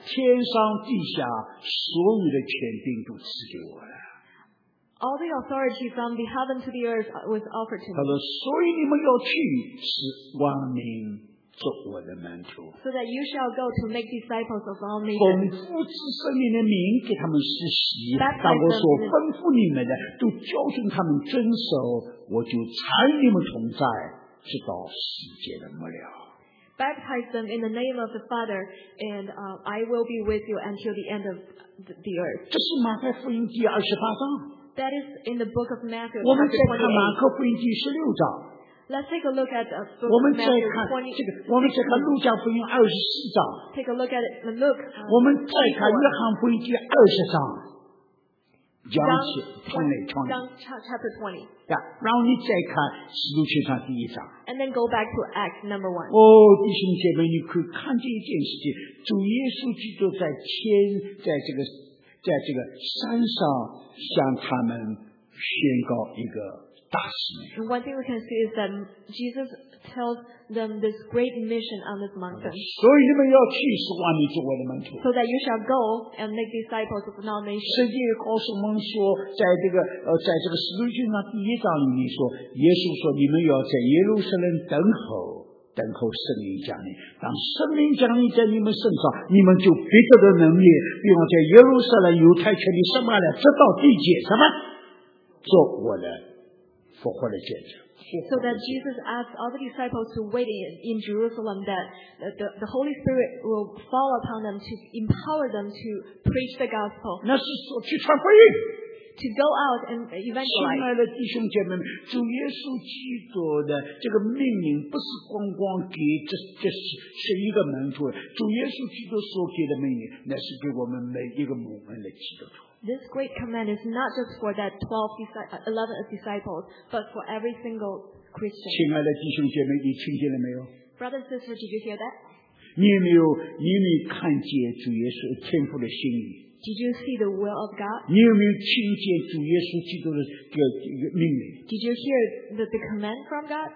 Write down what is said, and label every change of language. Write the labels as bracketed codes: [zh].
[zh] 天上地下所有的权柄都赐给我了。 [en] All the authority from the heaven to the earth was offered to me. [zh] 他说，所以你们要去，使万民做我的门徒。 [en] So that you shall go to make disciples of all nations. [zh] 奉父子圣灵的名给他们施洗，当我所吩咐你们的，都教训他们遵守，我就常与你们同在，直到世界的末了。 [en] baptize them in the name of the Father, and I will be with you until the end of the earth. [zh] 这是马太福音第二十八章。 [en] That is in the book of Matthew. [zh] 我们再看马可福音第十六章。 [en] Let's take a look at the book of Matthew 20. [zh] 我们再看路加福音二十四章。 [en] Take a look at the Luke. [zh] 我们再看约翰福音第二十章。 [en] John chapter 20. Yeah. And then go back to Acts number 1. [zh] Oh, 弟兄姐妹，你可以看见一件事情，主耶稣基督在天，在这个山上向他们宣告一个大使命。 [en] One thing we can see is that Jesus tells them this great mission on this mountain. [zh] 所以你们要去，是万民作我的门徒。 [en] So that you shall go and make disciples of all nations. [zh] 圣经也告诉我们说，在这个在这个使徒行传第一章里面说，耶稣说你们要在耶路撒冷等候。等候圣灵降临，当圣灵降临在你们身上，你们就必得的能力，并在耶路撒冷、犹太全地、撒玛利亚，直到地界，什么？做我的复活的见证。 [en] So that Jesus asked all the disciples to wait in Jerusalem, that the Holy Spirit will fall upon them to empower them to preach the gospel. [zh] 那是说去传福音。 [en] To go out and evangelize. [zh] 亲爱的弟兄姐妹，主耶稣基督的这个命令不是光光给这十一个门徒，主耶稣基督所给的命令，那是给我们每一个蒙恩的基督徒。 [en] This great command is not just for that 11 disciples, but for every single Christian. [zh] 亲爱的弟兄姐妹，你听见了没有？ [en] Brother and sister, did you hear that? [zh] 你有没有看见主耶稣天父的心意？ [en] Did you see the will of God? [zh] 你有没有听见主耶稣基督的命令？ [en] Did you hear the command from God?